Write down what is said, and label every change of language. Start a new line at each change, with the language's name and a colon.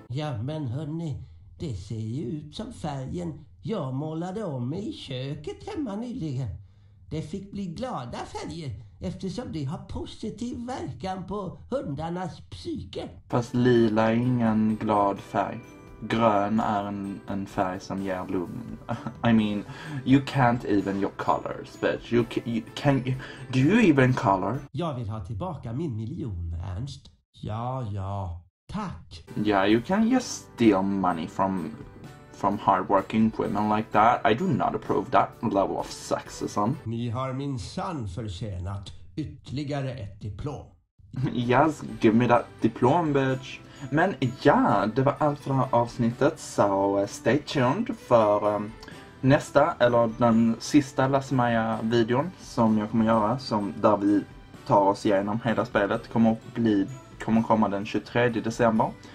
Swedish: Ja, men hörni, det ser ju ut som färgen jag målade om i köket hemma nyligen. Det fick bli glada färger eftersom det har positiv verkan på hundarnas psyke. Fast lila är ingen glad färg. Grön är en färg som ger lugn.
English: I mean, you can't even your colors, bitch. Do you even color?
Swedish: Jag vill ha tillbaka min miljon, Ernst. Ja, ja. Tack.
English: Yeah, you can just steal money from hardworking women like that. I do not approve that level of sexism.
Swedish: Ni har min son förtjänat ytterligare ett diplom.
English: Yes, give me that diplom, bitch.
Swedish: Men ja, det var allt för det här avsnittet, så
English: stay tuned
Swedish: för nästa, eller den sista LasseMaja-videon som jag kommer göra, som där vi tar oss igenom hela spelet, kommer komma den 23 december.